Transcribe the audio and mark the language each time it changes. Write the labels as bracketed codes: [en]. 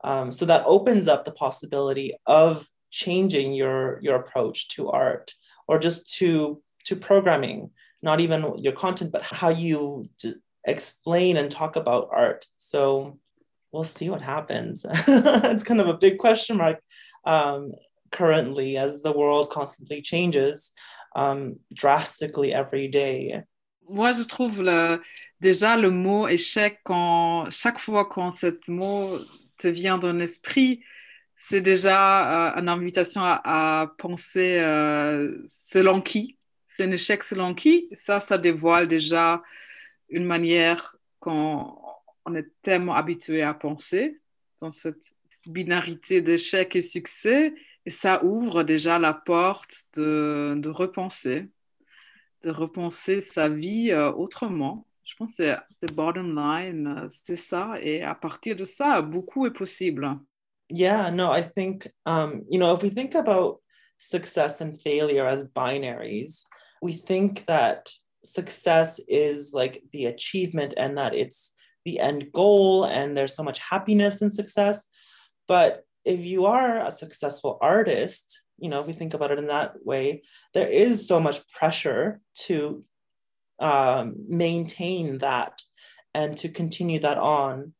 [en] So that opens up the possibility of changing your approach to art or just to programming, not even your content, but how you explain and talk about art. So we'll see what happens. It's kind of a big question mark currently as the world constantly changes drastically every day. [fr] Moi, je trouve déjà le mot échec, quand chaque fois quand ce mot te vient dans l'esprit, c'est déjà une invitation à penser selon qui. C'est un échec selon qui. Ça dévoile déjà une manière qu'on est tellement habitué à penser dans cette binarité d'échec et succès. Et ça ouvre déjà la porte de repenser sa vie autrement. Je pense que c'est [en] bottom line, [fr] c'est ça. Et à partir de ça, beaucoup est possible. [en] Yeah, no, I think, you know, if we think about success and failure as binaries, we think that success is like the achievement and that it's the end goal and there's so much happiness in success. But if you are a successful artist, you know, if we think about it in that way, there is so much pressure to maintain that and to continue that on.